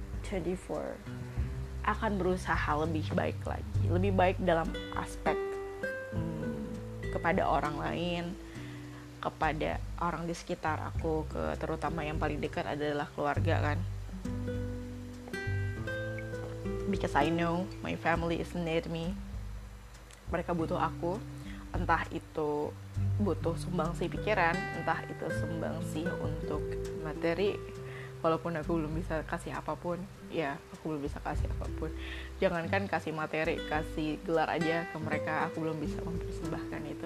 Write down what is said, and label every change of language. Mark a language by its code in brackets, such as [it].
[id] 2024 akan berusaha lebih baik lagi, lebih baik dalam aspek kepada orang lain, kepada orang di sekitar aku, terutama yang paling dekat adalah keluarga kan. [en] Because I know my family is near me. [id] Mereka butuh aku. Entah itu butuh sumbangsih pikiran, entah itu sumbangsih untuk materi. Walaupun aku belum bisa kasih apapun, ya aku belum bisa kasih apapun. Jangankan kasih materi, kasih gelar aja ke mereka, aku belum bisa mempersembahkan itu.